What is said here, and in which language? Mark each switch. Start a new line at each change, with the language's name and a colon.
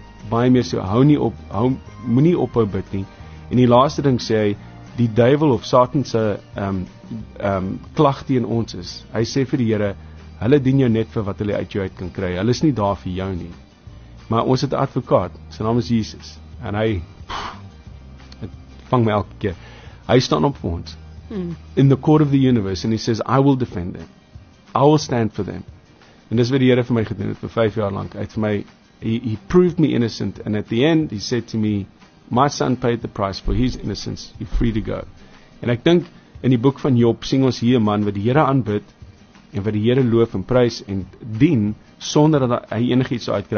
Afrikaans: Baie meer so, moenie ophou bid nie. En die laaste ding sê hy, die duivel of Satan se klag teen ons is. Hy sê vir die Here, hulle dien jou net vir wat hulle uit jou uit kan kry. Hulle is nie daar vir jou nie. Maar ons het 'n advokaat, sy naam is Jesus. En hy vang my elke keer. Hy staan op vir ons.
English: In the court of the universe, and he says, I will defend them. I will stand for them.
Afrikaans: En dis wat die Here vir my gedoen het vir 5 jaar lank. Hy het vir my,
English: he proved me innocent, and at the end, he said to me, my son paid the price for his innocence, you're free to go.
Afrikaans: En ek dink, in die boek van Job, sien ons hier 'n man wat die Here aanbid, en wat die Here loof en prys en dien, sonder dat hy enigiets uitkry.